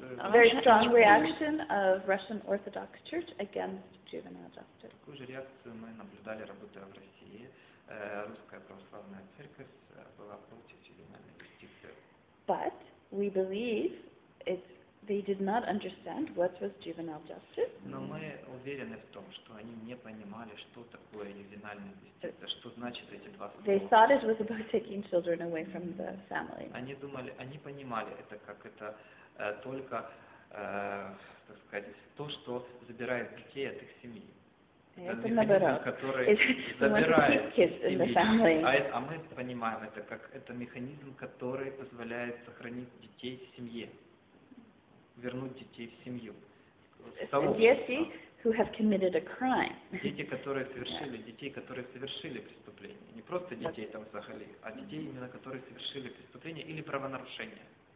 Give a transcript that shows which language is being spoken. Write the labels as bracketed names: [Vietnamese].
[English] Very strong reaction of Russian Orthodox Church against juvenile justice. [Russian] Такую же реакцию мы наблюдали, работая в России. Русская православная церковь была против juvenile justice. [English] But we believe they did not understand what was juvenile justice. [Russian] Но мы уверены в том, что они не понимали, что такое ювенальная юстиция, что значит эти два слова. [English] They thought it was about taking children away from the family. [Russian] Они думали, они понимали это как это только, так сказать, то, что забирает детей от их семьи. Это наоборот. Который забирает семьи. А мы понимаем это как это механизм, который позволяет сохранить детей в семье. Вернуть детей в семью. Дети, [English] who have committed a crime. [Russian] Дети, которые совершили, детей, которые совершили преступление. Не просто детей там сахали, а детей, именно которые совершили преступление или правонарушение.